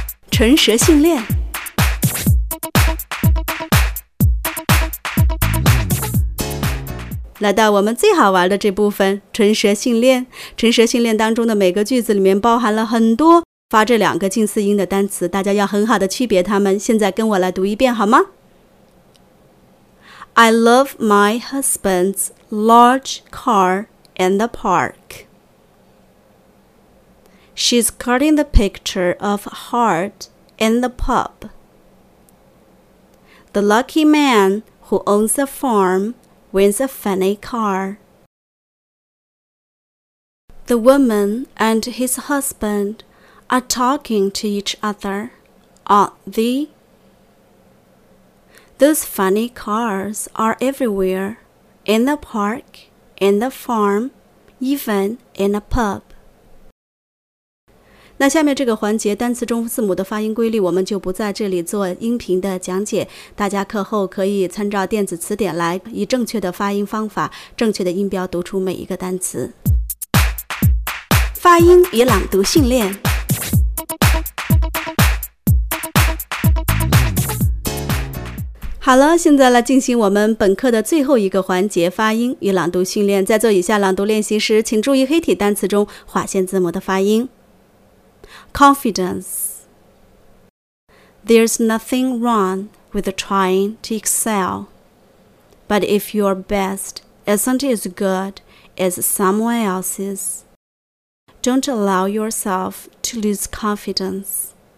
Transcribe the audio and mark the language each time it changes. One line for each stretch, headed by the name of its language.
Chinese: 唇舌训练，来到我们最好玩的这部分，唇舌训练。唇舌训练当中的每个句子里面包含了很多发这两个近似音的单词，大家要很好的区别它们。现在跟我来读一遍好吗？
English: I love my husband's large car in the park. She's cutting the picture of heart in the pub. The lucky man who owns the farmwhen's a funny car. The woman and his husband are talking to each other, aren't they? Those funny cars are everywhere, in the park, in the farm, even in a pub.
Chinese: 那下面这个环节单词中字母的发音规律我们就不在这里做音频的讲解，大家课后可以参照电子词典来以正确的发音方法，正确的音标读出每一个单词。发音与朗读训练，好了，现在来进行我们本课的最后一个环节，发音与朗读训练。在做以下朗读练习时，请注意黑体单词中划线字母的发音。
English: Confidence. There's nothing wrong with trying to excel, but if your best isn't as good as someone else's, don't allow yourself to lose confidence.